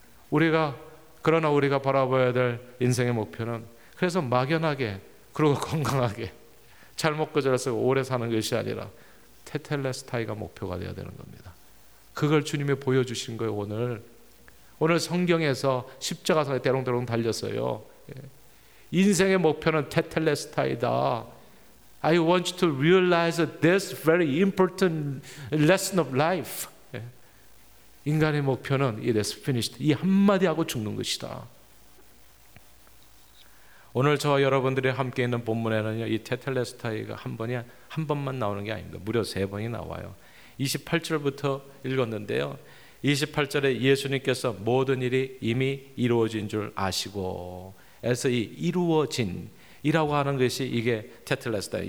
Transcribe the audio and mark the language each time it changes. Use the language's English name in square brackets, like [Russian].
[Korean] 우리가 그러나 우리가 바라봐야 될 인생의 목표는 그래서 막연하게 그리고 건강하게 잘 먹고 잘해서 오래 사는 것이 아니라 테텔레스타이가 목표가 되어야 되는 겁니다. 그걸 주님이 보여주신 거예요. 오늘 성경에서 십자가상에 대롱대롱 달렸어요. 인생의 목표는 테텔레스타이다. [English] I want you to realize this very important lesson of life. [Korean] 인간의 목표는 [English] it is finished. [Korean] 이 한마디하고 죽는 것이다. 오늘 저와 여러분들이 함께 있는 본문에는 이 테텔레스타이가 한 번만 나오는 게 아닙니다. 무려 세 번이 나와요. 28절부터 읽었는데요. 28절에 예수님께서 모든 일이 이미 이루어진 줄 아시고 에서 이 이루어진이라고 하는 것이 이게 테텔레스타이.